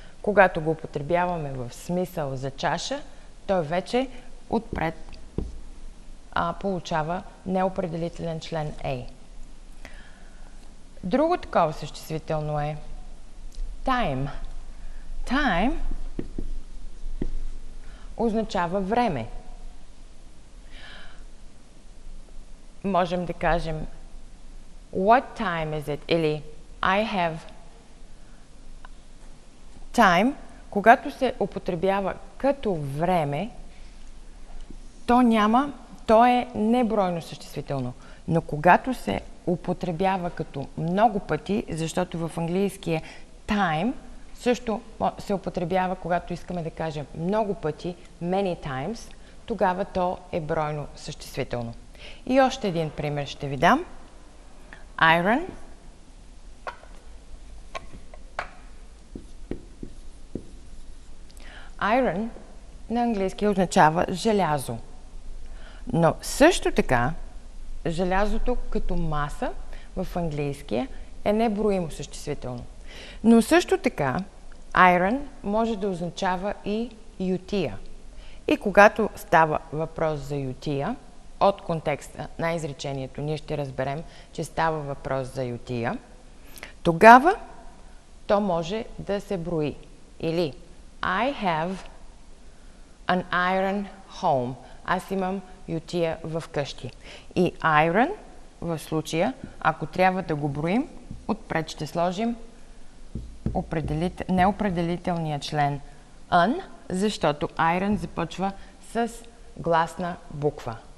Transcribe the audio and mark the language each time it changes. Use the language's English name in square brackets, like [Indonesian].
[Bulgarian] Когато го употребяваме в смисъл за чаша, той вече отпред получава неопределителен член A. Друго такова съществително е time. Time означава време. Можем да кажем [English] what time is it? [Bulgarian] Или [English] I have time. [Bulgarian] Когато се употребява като време, то е небройно съществително. Но когато се употребява като много пъти, защото в английския time също се употребява, когато искаме да кажем много пъти, [English] many times, [Bulgarian] тогава то е бройно съществително. И още един пример ще ви дам. Iron Iron на английски означава желязо. Но също така желязото като маса в английския е неброимо съществително. Но също така iron може да означава и ютия. И когато става въпрос за ютия, от контекста на изречението ние ще разберем, че става въпрос за ютия, тогава то може да се брои. Или [English] I have an iron home. [Bulgarian] Аз имам ютия вкъщи. И iron в случая, ако трябва да го броим, отпред ще сложим неопределителния член ън, защото iron започва с гласна буква.